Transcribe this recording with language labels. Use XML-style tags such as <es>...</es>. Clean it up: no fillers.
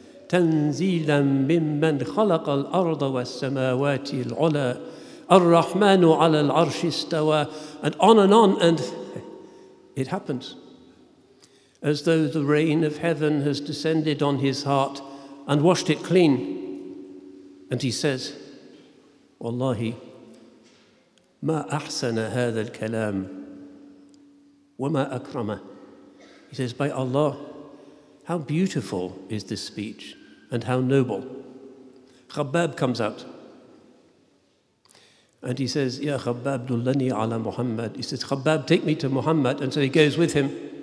<ar>تنزيلا ممن خلق الأرض والسماوات العلى الرحمن على العرش استوى.</ar> <en>And on and on, and it happens. As though the rain of heaven has descended on his heart and washed it clean. And he says,</en> <ar>Wallahi, ما أحسن هذا الكلام وما أكرمه.</ar> <en>He says, by Allah, how beautiful is this speech and how noble. Khabbab comes out. And he says,</en> <ar>Ya Khabbab, dullani ala Muhammad.</ar> <en>He says, Khabbab, take me to Muhammad. And so he goes with him.</en>